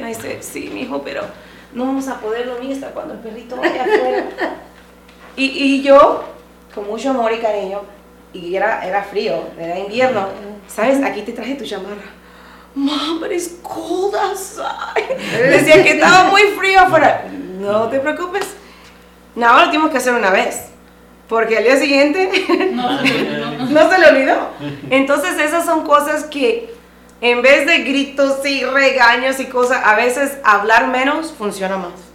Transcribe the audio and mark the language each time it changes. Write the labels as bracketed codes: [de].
[es] Y dice, sí, mijo, pero no vamos a poder dormir hasta cuando el perrito vaya afuera. Y yo, con mucho amor y cariño, y era frío, era invierno, ¿sabes? Aquí te traje tu chamarra. [en] Mom, but it's cold outside. [es] Decía que estaba muy frío afuera. No te preocupes. No, lo tuvimos que hacer una vez. Porque al día siguiente... No se le olvidó. Entonces esas son cosas que, en vez de gritos y regaños y cosas, a veces hablar menos funciona más.